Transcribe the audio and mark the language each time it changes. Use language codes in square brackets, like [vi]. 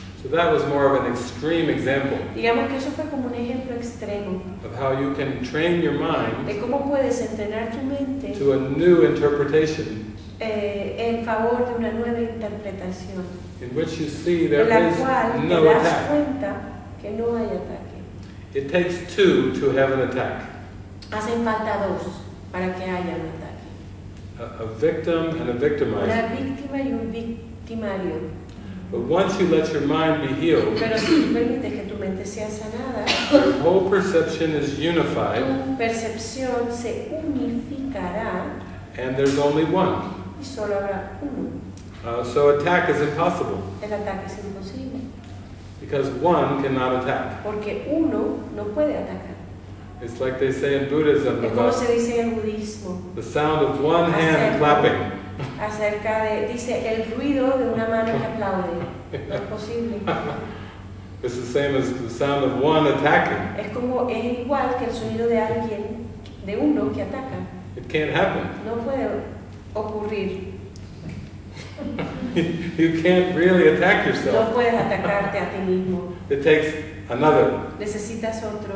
[en] So that was more of an extreme example. [es] Digamos que eso fue como un ejemplo extremo. [en] Of how you can train your mind. [es] De cómo puedes entrenar tu mente. [en] To a new interpretation. [es] En favor de una nueva interpretación. [en] In which you see there is no attack. [es] En la cual te das cuenta que no hay ataque. [en] It takes two to have an attack. [es] Hacen falta dos para que haya un ataque. [en] A victim and a victimizer. [es] Una víctima y un victimario. [en] But once you let your mind be healed, [es] pero si tú permites que tu mente sea sanada, [en] your whole perception is unified. [es] Tu percepción se unificará. [en] And there's only one. [es] Y solo habrá uno. [en] So attack is impossible. [es] El ataque es imposible. [en] Because one cannot attack. [es] Porque uno no puede atacar. [en] It's like they say in Buddhism. [es] Es como se dice en budismo. [en] The sound of one hand clapping. [es] Acerca de, dice, el ruido de una mano que aplaude. No es posible. [en] It's the same as the sound of one attacking. [es] Es como, es igual que el sonido de alguien, de uno que ataca. [en] It can't happen. [es] No puede ocurrir. [en] You can't really attack yourself. [es] No puedes atacarte a ti mismo. [en] It takes another. [es] Necesitas otro.